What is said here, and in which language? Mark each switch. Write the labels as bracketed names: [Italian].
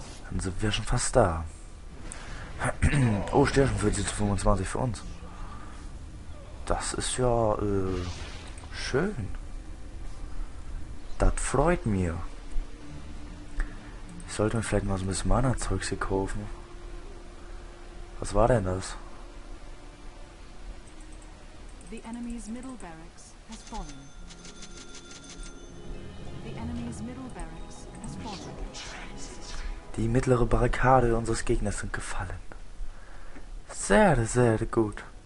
[German] Dann sind wir schon fast da. Oh, Stärken 40 zu 25 für uns. Das ist ja schön. Das freut mir. Ich sollte mir vielleicht mal so ein bisschen Mana-Zeugs hier kaufen. Was war denn das? [English] The enemy's middle barracks has fallen. The enemy's middle barracks has fallen. [German] Die mittlere Barrikade unseres Gegners sind gefallen. Sehr, sehr gut.